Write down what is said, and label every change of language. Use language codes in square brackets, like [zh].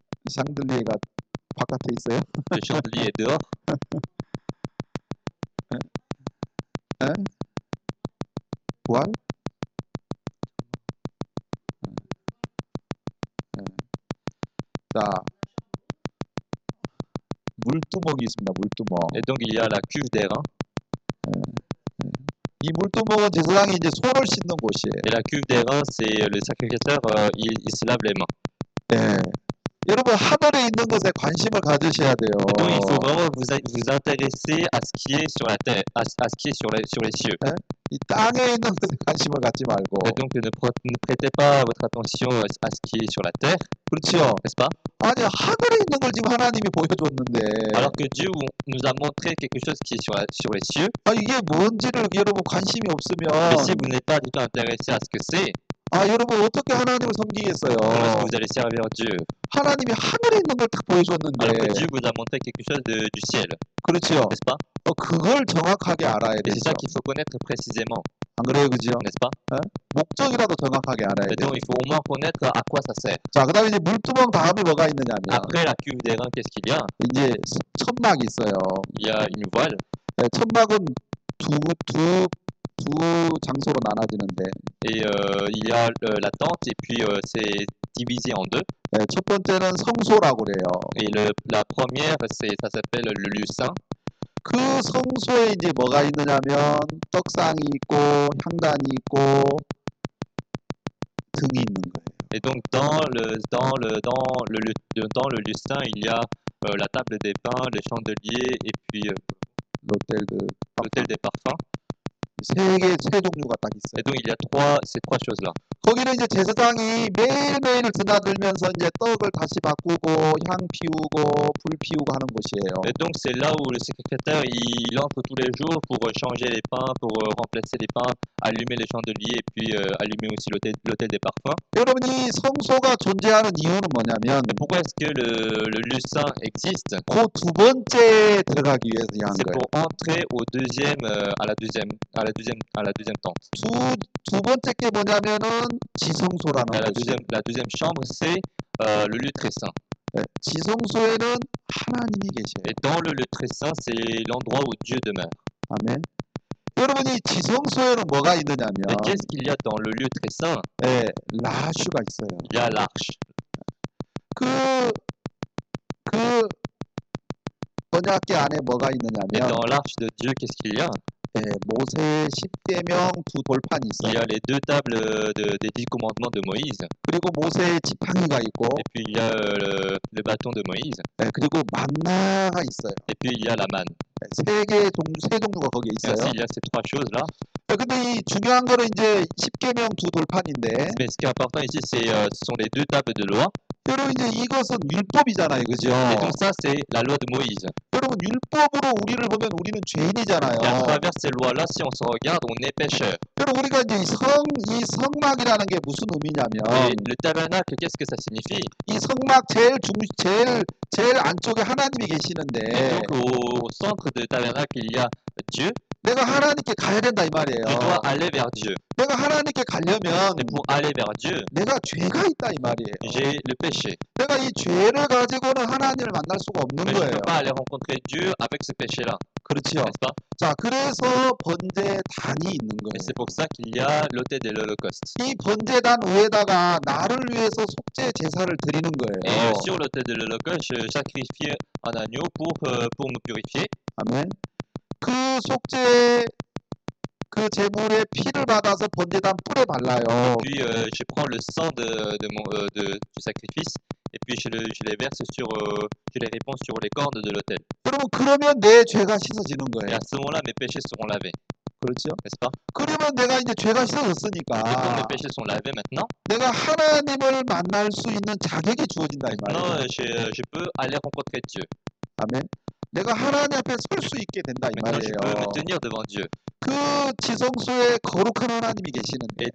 [ko] 샹들리에가 바깥에 있어요? [fr] Le chandelier est dehors. Voile? [ko] 자, 물두멍이 있습니다. 물두멍. [fr] Et donc il y a la cuve d'airain. Il multiplie des langues et des sons aussi dans vos chiens. Et la cuve d'airain, c'est le sacrificateur, il se lave les mains. Yeah. [ko] 여러분, 하늘에 있는 것에 관심을 가지셔야 [fr] Et donc il faut vraiment vous intéresser à ce qui est sur la terre, à ce qui est sur les cieux. Yeah. [ko] 이 땅에 있는 것에 관심을 갖지 말고. [fr] donc ne prêtez pas votre attention à ce qui est sur la terre, [ko] 그렇죠? [fr] n'est-ce pas? Aujourd'hui, [ko] 하늘에 있는 걸 지금 하나님이 보여줬는데. [fr] Alors que Dieu nous a montré quelque chose qui est sur les cieux, [ko] 아, 이게 뭔지를 여러분 관심이 [fr] mais si [ko] 없으면, [fr] vous n'êtes pas du tout intéressé à ce que c'est, [ko] 아, 여러분 어떻게 하나님을 [fr] comment est-ce que [ko] 섬기겠어요? [fr] vous allez servir Dieu? [ko] 하나님이 하늘에 있는 걸다 [fr] Alors que [ko] 보여줬는데. [fr] Dieu vous a montré quelque chose du ciel, [ko] 그렇죠? [fr] n'est-ce pas? [ko] 그걸 정확하게 알아야 [fr] Et c'est [ko] 되죠. [fr] ça qu'il faut connaître précisément, [ko] 안 그래요, 그죠? [fr] n'est-ce pas? [ko] 예? 목적이라도 정확하게 알아야 [fr] Et donc il [ko] 돼요. [fr] faut au moins connaître à quoi ça sert. [ko] 자, 그 다음에 이제 물두멍 다음에 뭐가 있느냐면, [fr] Après la cuve d'airain, qu'est-ce qu'il y a? [ko] 이제 천막이 있어요. [fr] Il y a une voile. [ko] 예, 천막은 두 장소로 나눠지는데, [fr] Et il y a la tente et puis c'est divisé en deux. [ko] yeah, 첫 번째는 성소라고 그래요. [fr] Et la première, ça s'appelle le lieu saint. [ko] Que 성소에 이제 뭐가 있느냐면 떡상이 있고 향단이 있고 등이 있는 거예요. [fr] Et donc dans le lieu saint, il y a la table des pains, les chandeliers et puis l'autel des parfums. [ko] 세 종류가 딱 있어요. [fr] Et donc il y a ces trois choses-là. [ko] 거기는 이제 제사장이 매일매일 드나들면서 이제 떡을 다시 바꾸고 향 피우고 불 피우고 하는 곳이에요. [fr] Et donc c'est là où le secrétaire il entre tous les jours pour changer les pains, pour remplacer les pains, allumer les chandeliers et puis allumer aussi l'hôtel des parfums. [ko] 여러분, 이 성소가 존재하는 이유는 뭐냐면 [fr] Et pourquoi est-ce que le lieu saint existe? [ko] 그 두 번째 들어가기 위해서 한 거예요. [fr] C'est pour entrer au deuxième à la deuxième tente. [ko] 두 번째 게 뭐냐면 지성소라는 [fr] la deuxième, la deuxième chambre c'est le lieu très saint. [ko] 지성소에는 하나님이 계셔요. [fr] Et dans le lieu très saint c'est l'endroit où Dieu demeure. [ko] 아멘. 여러분이 지성소에는 뭐가 있느냐면 [fr] Et qu'est-ce qu'il y a dans le lieu très saint? [ko] 예, 라슈가 있어요. [fr] Il y a l'arche. [ko] 그 언약궤 안에 뭐가 있느냐면 [fr] Et dans l'arche de Dieu qu'est-ce qu'il y a? [ko] 네, 모세 십계명 두 돌판이 있어요. [fr] Il y a les deux tables des dix commandements de Moïse. [ko] 그리고 모세 지팡이가 있고. [fr] Et puis il y a le bâton de Moïse. [ko] 네, 그리고 만나가 있어요. [fr] Et puis il y a la manne. [ko] 세 종류가 거기에 있어요. [fr] Il y a ces trois choses-là. [ko] 근데 이 중요한 거는 이제 십계명 두 돌판인데. [fr] Mais ce qui est important ici, ce sont les deux tables de loi. [ko] 여러분 이제 이것은 율법이잖아요, 그죠? [fr] Et donc ça c'est la loi de Moïse. [ko] 여러분 율법으로 우리를 보면 우리는 죄인이잖아요. [fr] Et à travers ces lois-là, si on se regarde, on est pécheur. [ko] 그럼 우리가 이제 이 성막이라는 게 무슨 의미냐면, [fr] le tabernacle, qu'est-ce que ça signifie? [ko] 이 성막 제일 안쪽에 하나님이 계시는데. [fr] Et donc au centre du tabernacle, il y a Dieu. [ko] 내가 하나님께 가야 된다 이 말이에요. [fr] Je dois aller vers Dieu. [ko] 내가 하나님께 가려면 [fr] Et pour aller vers Dieu, [ko] 내가 죄가 있다 이 말이에요. [fr] J'ai le péché. [ko] 내가 이 죄를 가지고는 하나님을 만날 수가 없는 [fr] Mais [ko] 거예요. [fr] Je ne peux pas aller rencontrer Dieu avec ce péché-là. [ko] 그렇죠. [fr] N'est-ce pas? [ko] 자, 그래서 번제단이 있는 거예요. [fr] Et c'est pour ça qu'il y a l'autel de l'Holocauste. [ko] 이 번제단 위에다가 나를 위해서 속죄 제사를 드리는 거예요. [fr] Et sur l'autel de l'Holocauste, je sacrifie un agneau pour me purifier. Amen. [ko] 그 속죄 그 제물의 피를 받아서 번제단 뿔에 발라요. [fr] Et puis je prends le sang du sacrifice et puis je les verse sur je les répands sur les cornes de l'autel. [ko] 그러면 내 죄가 씻어지는 거예요. [fr] Et à ce moment-là mes péchés seront lavés. [ko] 그렇죠? [fr] N'est-ce pas? [ko] 그러면 내가 이제 죄가 씻어졌으니까 [fr] Et donc, mes péchés sont lavés maintenant. [ko] 내가 하나님을 만날 수 있는 자격이 주어진다 이 말이에요. [fr] Non, je peux aller rencontrer Dieu. [ko] 아멘. 내가 하나님 앞에 설 수 있게 된다 이 말이에요. 그 지성소에 거룩한 하나님이 계시는데.